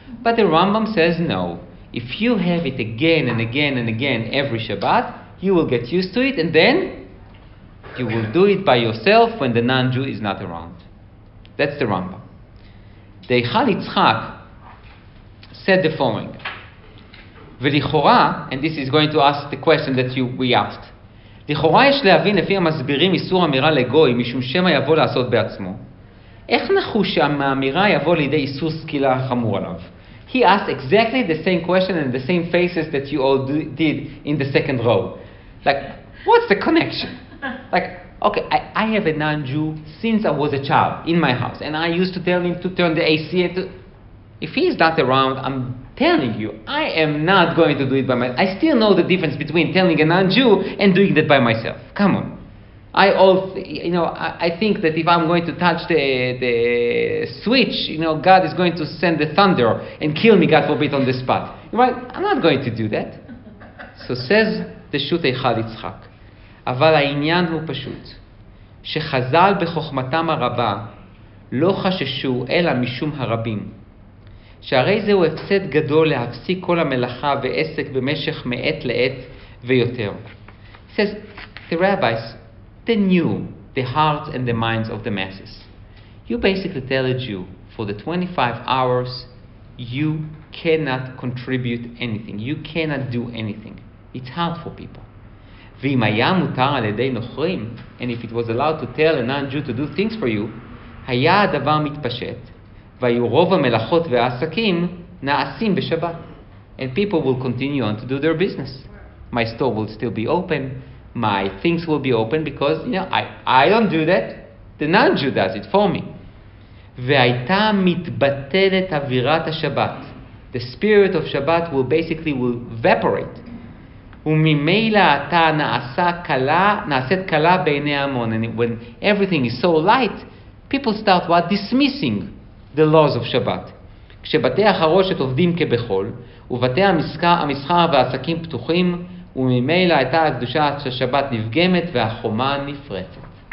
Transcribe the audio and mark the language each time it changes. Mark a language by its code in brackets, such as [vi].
[en] But the Rambam says no. If you have it again and again and again every Shabbat, you will get used to it and then you will do it by yourself when the non-Jew is not around. That's the Rambam. The Eichal Yitzchak said the following. ולכאורה, and this is going to ask the question that we asked. [he] לכאורה יש להבין לפי המסבירים איסור אמירה לגוי משום שמה יבוא לעשות בעצמו. איך נחוש שהאמירה יבוא לידי איסור סקילה חמור עליו? [en] He asked exactly the same question and the same faces that you all did in the second row. Like, what's the connection? Like, okay, I have a non-Jew since I was a child in my house, and I used to tell him to turn the AC. If he's not around, I'm telling you, I am not going to do it by myself. I still know the difference between telling a non-Jew and doing that by myself. Come on. I think that if I'm going to touch the switch, you know, God is going to send the thunder and kill me, God forbid, on the spot. Right? I'm not going to do that. So says the Shutei Chal Yitzchak. [he] אבל העניין הוא פשוט, שחזל בחוכמתם הרבה לא חששו אלא משום הרבים, שהרי זהו הפסד גדול להפסיק כל המלאכה ועסק במשך מעת לעת ויותר. [en] He says, the rabbis, they knew the hearts and the minds of the masses. You basically tell a Jew, for the 25 hours, you cannot contribute anything. You cannot do anything. It's hard for people. [he] ואם היה מותר על ידי נוכרים, [en] and if it was allowed to tell a non-Jew to do things for you, [he] היה הדבר מתפשט, והיו רוב המלאכות והעסקים נעשים בשבת. [en] And people will continue on to do their business. My store will still be open. My things will be open because, you know, I don't do that. The non-Jew does it for me. [he] והייתה מתבטלת אווירת השבת. [en] The spirit of Shabbat will basically evaporate. [he] וממילא אתה נעשית קלה בעיני המון. [en] And when everything is so light, people start what? Dismissing the laws of Shabbat. [he] כשבתי החרושת עובדים כבכל, ובתי המסחר והעסקים פתוחים, וממילא הייתה הקדושה של שבת נפגמת והחומה נפרצת.